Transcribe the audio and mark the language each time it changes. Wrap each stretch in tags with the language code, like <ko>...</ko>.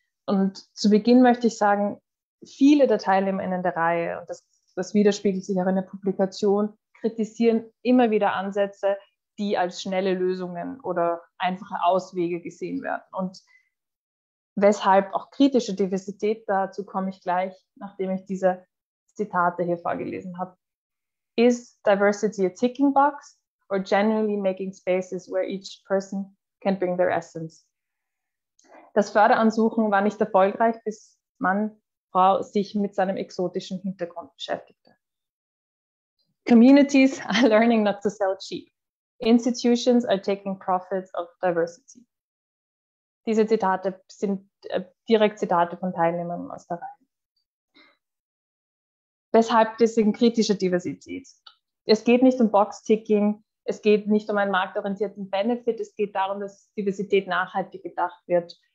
<de>Und zu Beginn möchte ich sagen, viele der TeilnehmerInnen der Reihe, und das widerspiegelt sich auch in der Publikation, kritisieren immer wieder Ansätze, die als schnelle Lösungen oder einfache Auswege gesehen werden. Und weshalb auch kritische Diversität, dazu komme ich gleich, nachdem ich diese Zitate hier vorgelesen habe.</de> <en>Is diversity a ticking box or genuinely making spaces where each person can bring their essence?</en> <de>Das Förderansuchen war nicht erfolgreich, bis Mann, Frau sich mit seinem exotischen Hintergrund beschäftigte.</de> <en>Communities are learning not to sell cheap. Institutions are taking profits of diversity.</en> <de>Diese Zitate sind direkt Zitate von Teilnehmern aus der Reihe. Weshalb deswegen kritische Diversität? Es geht nicht um Box-Ticking, es geht nicht um einen marktorientierten Benefit, es geht darum, dass Diversität nachhaltig gedacht wird.</de>